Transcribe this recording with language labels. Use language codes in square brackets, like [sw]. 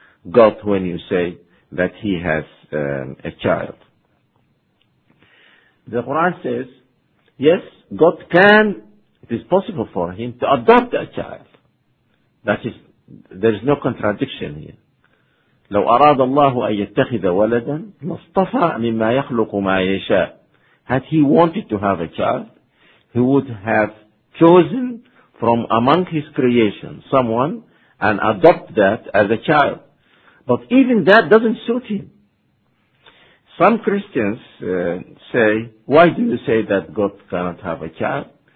[en] God when you say that he has a child. The Quran says, yes, God can, it is possible for him to adopt a child. That is, there is no contradiction here. [ar] لو أراد الله أن يتخذ ولدا مصطفى مما يخلق ما يشاء. [en] Had he wanted to have a child, he would have chosen from among his creation someone and adopt that as a child. But even that doesn't suit him. Some Christians say, why do you say that God cannot have a child?